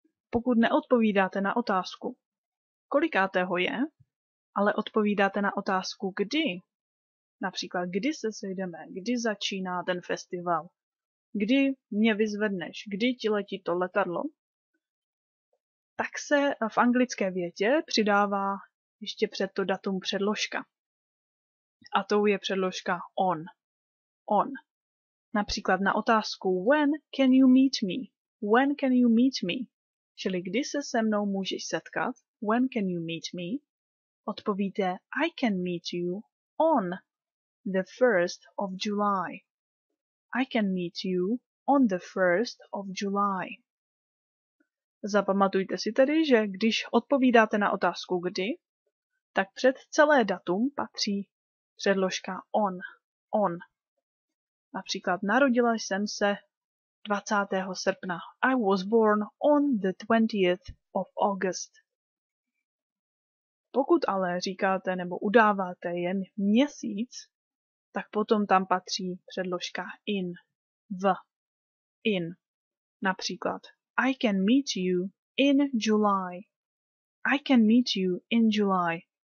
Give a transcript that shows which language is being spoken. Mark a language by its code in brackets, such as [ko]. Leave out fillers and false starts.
[cs] Pokud neodpovídáte na otázku, kolikátého je, ale odpovídáte na otázku kdy, například kdy se sejdeme, kdy začíná ten festival, kdy mě vyzvedneš, kdy ti letí to letadlo, tak se v anglické větě přidává ještě před to datum předložka. A tou je předložka on. On. Například na otázku [en] when can you meet me? When can you meet me? [cs] Čili kdy se se mnou můžeš setkat? [en] When can you meet me? [cs] Odpovíte [en] I can meet you on the 1st of July. I can meet you on the 1st of July. [cs] Zapamatujte si tedy, že když odpovídáte na otázku kdy, tak před celé datum patří předložka on. On. Například narodila jsem se 20. srpna. [en] I was born on the 20th of August. [cs] Pokud ale říkáte nebo udáváte jen měsíc, tak potom tam patří předložka in. [en] V. In. [cs] Například [en] I can meet you in July. I can meet you in July.